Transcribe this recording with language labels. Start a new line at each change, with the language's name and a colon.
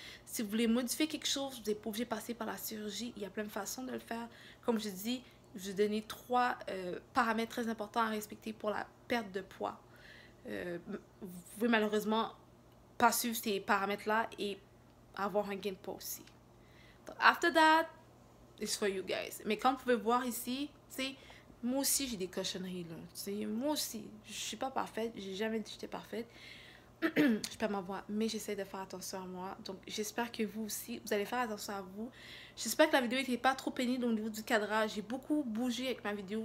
French: Si vous voulez modifier quelque chose, vous n'êtes pas obligé de passer par la chirurgie. Il y a plein de façons de le faire. Comme je dis, je vous ai donné trois paramètres très importants à respecter pour la perte de poids. Vous pouvez malheureusement pas suivre ces paramètres-là et avoir un gain de poids aussi.
English: Donc, after that, it's for you, guys.
French: Mais comme vous pouvez voir ici, tu sais. Moi aussi, j'ai des cochonneries, là. Tu sais, moi aussi, je suis pas parfaite. J'ai jamais dit que j'étais parfaite. Je perds ma voix, mais j'essaie de faire attention à moi. Donc, j'espère que vous aussi, vous allez faire attention à vous. J'espère que la vidéo n'était pas trop pénible au niveau du cadrage. J'ai beaucoup bougé avec ma vidéo.